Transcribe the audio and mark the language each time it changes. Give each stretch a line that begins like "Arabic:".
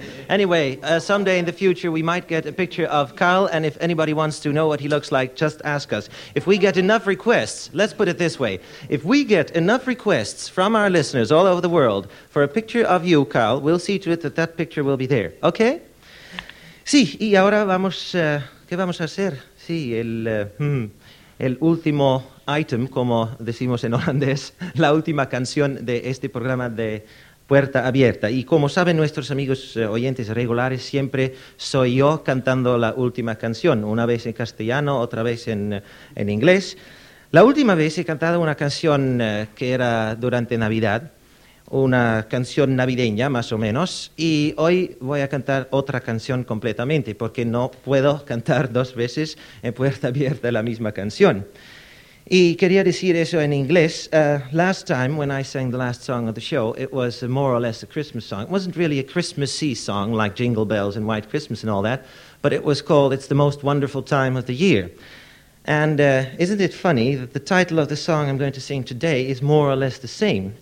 English: Anyway, someday in the future we might get a picture of Carl, and if anybody wants to know what he looks like, just ask us. If we get enough requests, let's put it this way. If we get enough requests from our listeners all over the world for a picture of you, Carl, we'll see to it that that picture will be there.
Spanish: Okay? Sí, y ahora vamos... ¿Qué vamos a hacer? Sí, el último item, como decimos en holandés, la última canción de este programa de Puerta Abierta. Y como saben nuestros amigos oyentes regulares, siempre soy yo cantando la última canción, una vez en castellano, otra vez en inglés. La última vez he cantado una canción que era durante Navidad, una canción navideña más o menos, y hoy voy a cantar otra canción completamente porque no puedo cantar dos veces en Puerta Abierta la misma canción. Y quería decir eso en inglés.
English: Last time when I sang the last song of the show, it was more or less a Christmas song. It wasn't really a Christmassy song like Jingle Bells and White Christmas and all that, but it was called It's the Most Wonderful Time of the Year. And isn't it funny that the title of the song I'm going to sing today is more or less the same?